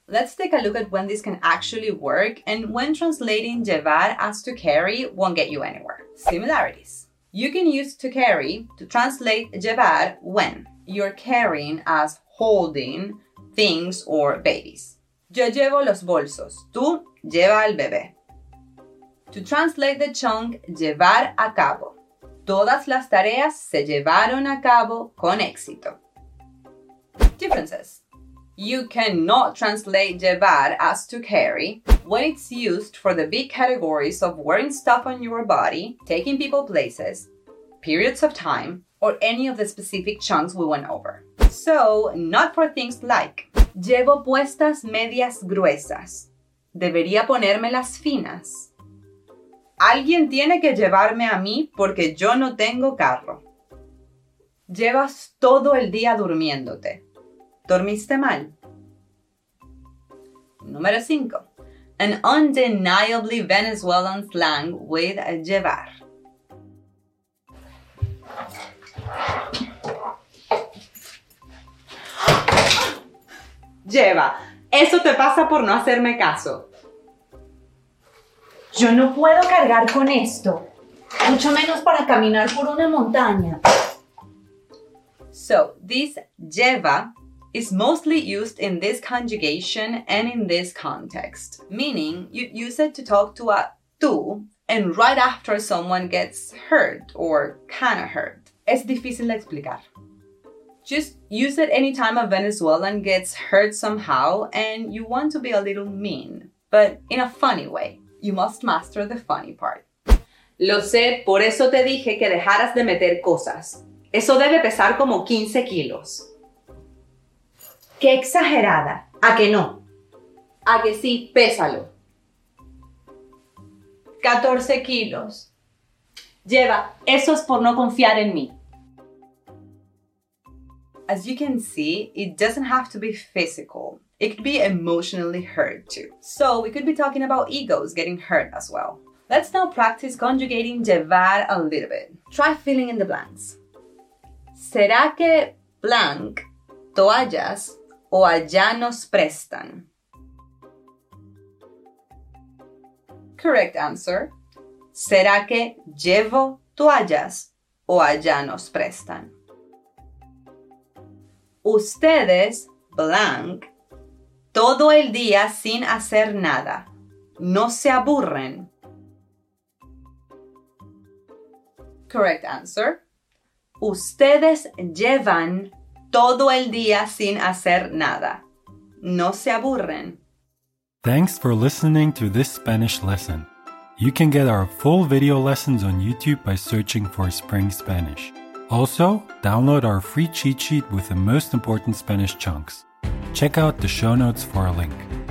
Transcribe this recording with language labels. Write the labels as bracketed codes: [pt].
[en] Let's take a look at when this can actually work and when translating llevar as to carry won't get you anywhere. Similarities. You can use to carry to translate llevar when you're carrying as holding things or babies. [es] Yo llevo los bolsos, tú lleva el bebé. [en] To translate the chunk, llevar a cabo. [es] Todas las tareas se llevaron a cabo con éxito. [en] Differences. You cannot translate llevar as to carry when it's used for the big categories of wearing stuff on your body, taking people places, periods of time, or any of the specific chunks we went over. So, not for things like [es] llevo puestas medias gruesas. Debería ponérmelas finas. Alguien tiene que llevarme a mí porque yo no tengo carro. Llevas todo el día durmiéndote. ¿Dormiste mal? Número 5. [en] An undeniably Venezuelan slang with llevar. [es] Lleva, eso te pasa por no hacerme caso. Yo no puedo cargar con esto, mucho menos para caminar por una montaña. [en] So, this lleva is mostly used in this conjugation and in this context, meaning you use it to talk to a tú and right after someone gets hurt or kinda hurt. [es] Es difícil de explicar. [en] Just use it anytime a Venezuelan gets hurt somehow and you want to be a little mean, but in a funny way. You must master the funny part. [es] Lo sé, por eso te dije que dejaras de meter cosas. Eso debe pesar como 15 kilos. ¡Qué exagerada! ¿A que no? ¿A que sí? Pésalo. 14 kilos. Lleva, eso es por no confiar en mí. [en] As you can see, it doesn't have to be physical. It could be emotionally hurt too. So we could be talking about egos getting hurt as well. Let's now practice conjugating llevar a little bit. Try filling in the blanks. [es] ¿Será que blank toallas o allá nos prestan? [en] Correct answer. [es] ¿Será que llevo toallas o allá nos prestan? Ustedes, blank, todo el día sin hacer nada. No se aburren. [en] Correct answer. [es] Ustedes llevan todo el día sin hacer nada. No se aburren. [en] Thanks for listening to this Spanish lesson. You can get our full video lessons on YouTube by searching for Spring Spanish. Also, download our free cheat sheet with the most important Spanish chunks. Check out the show notes for a link.